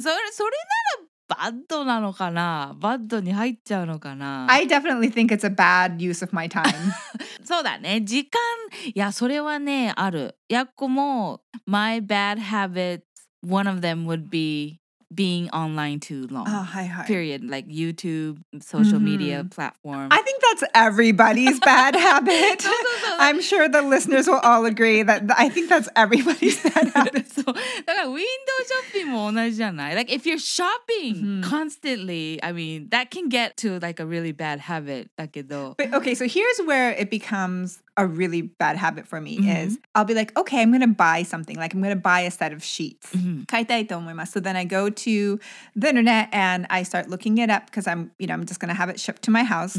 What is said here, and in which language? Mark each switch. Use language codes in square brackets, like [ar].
[ja] それならバッドなのかな?バッドに入っちゃうのかな? [en] I definitely think it's a bad use of my time. [ja] そうだね。時間、いや、それはね、ある。 [en] やっこも、my bad habit,One of them would be being online too long. Oh, hi, hi. Period. Like YouTube, social media platform. I think that's everybody's bad habit. [ja] そうそうそう。 [en] I'm sure the listeners will all agree that I think that's everybody's bad habit. [ja] そう。だからウィンドウショッピングも同じじゃない? [en] Like if you're shopping constantly, I mean, that can get to like a really bad habit. [ja] だけど。 [en] But okay, so here's where it becomes... A really bad habit for me is I'll be like, okay, I'm gonna buy something. Like, I'm gonna buy a set of sheets. [ja] 買いたいと思います. [en] So then I go to the internet and I start looking it up because I'm, you know, I'm just gonna have it shipped to my house.